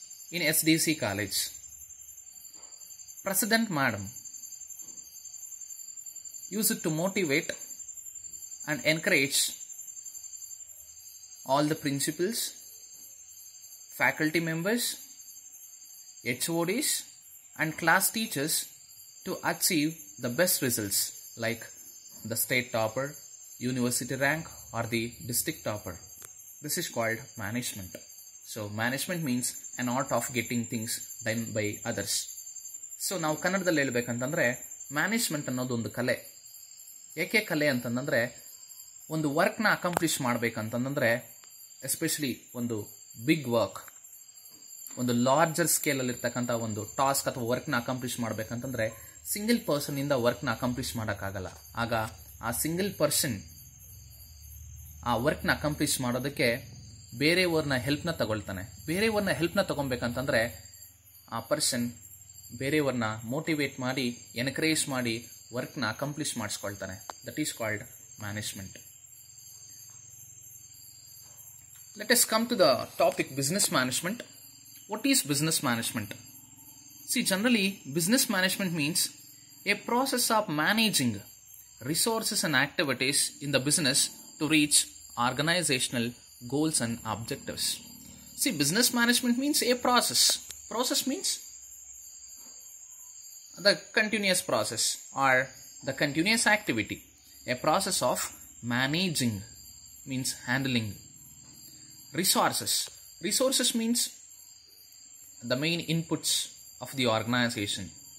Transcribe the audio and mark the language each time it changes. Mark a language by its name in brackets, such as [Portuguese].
[English] In SDC College, President Madam use it to motivate and encourage all the principals, faculty members, HODs and class teachers to achieve the best results, like the state topper, university rank or the district topper. This is called management. So management means an art of getting things done by others. So now [Kannada] ಕನ್ನಡದಲ್ಲಿ ಹೇಳಬೇಕಂತಂದ್ರೆ management ಅನ್ನೋದು ಒಂದು ಕಲೆ. ಏಕೆ ಕಲೆ ಅಂತಂದಂದರೆ ಒಂದು ವರ್ಕ್ನ accomplish ಮಾಡಬೇಕಂತಂದರೆ, especially ಒಂದು big work, ಒಂದು larger ಸ್ಕೇಲಲ್ಲಿರ್ತಕ್ಕಂಥ ಒಂದು ಟಾಸ್ಕ್ ಅಥವಾ ವರ್ಕ್ನ ಅಕಂಪ್ಲಿಷ್ ಮಾಡಬೇಕಂತಂದರೆ ಸಿಂಗಲ್ ಪರ್ಸನಿಂದ ವರ್ಕ್ನ ಅಕಂಪ್ಲಿಷ್ ಮಾಡೋಕ್ಕಾಗಲ್ಲ. ಆಗ ಆ ಸಿಂಗಲ್ ಪರ್ಸನ್ ಆ ವರ್ಕ್ನ ಅಕಂಪ್ಲಿಷ್ ಮಾಡೋದಕ್ಕೆ ಬೇರೆಯವ್ರನ್ನ ಹೆಲ್ಪ್ನ ತಗೊಳ್ತಾನೆ. ಬೇರೆಯವ್ರನ್ನ ಹೆಲ್ಪ್ನ ತಗೊಳ್ಬೇಕಂತಂದರೆ ಆ ಪರ್ಸನ್ ಬೇರೆಯವ್ರನ್ನ ಮೋಟಿವೇಟ್ ಮಾಡಿ, ಎನ್ಕರೇಜ್ ಮಾಡಿ ವರ್ಕ್ನ accomplish ಮಾಡಿಸ್ಕೊಳ್ತಾನೆ. [English] That is called management. Let us come to the topic business management. What is business management? See, generally business management means a process of managing resources and activities in the business to reach organisational goals and objectives. See, business management means a process. Process means the continuous process or the continuous activity. A process of managing means handling resources. Resources means the main inputs of the organization.